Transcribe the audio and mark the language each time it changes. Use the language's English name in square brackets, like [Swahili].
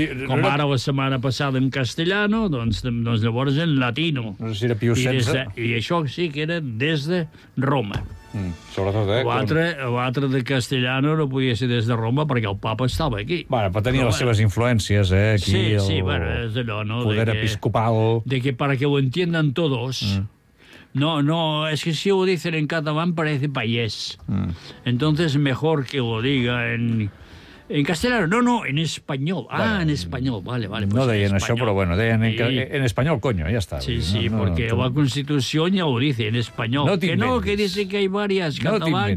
[Catalan] Com ara la setmana passada en castellano, doncs llavors en latino. No sé si era Pio XVI. I això sí que era des de Roma. Sobretot, L'altre, l'altre de castellano no podia ser des de Roma perquè el papa estava aquí. Bueno, però tenia les seves influències, aquí. Sí, el... sí, bueno, és allò, no? Poder de que, episcopal. [Spanish] De que para que lo entiendan todos... No, es que si lo dicen en catalán parece payés. Entonces mejor que lo diga en castellano. No, en español. Ah, bueno, en español. Vale. Pues [Catalan] no deien [Spanish] español. [Catalan] Això, però bueno, deien en español, [Spanish] coño, ya está. Sí, porque la Constitución ya lo dice en español. No que inventes. No, que dice que hay varias, catalán,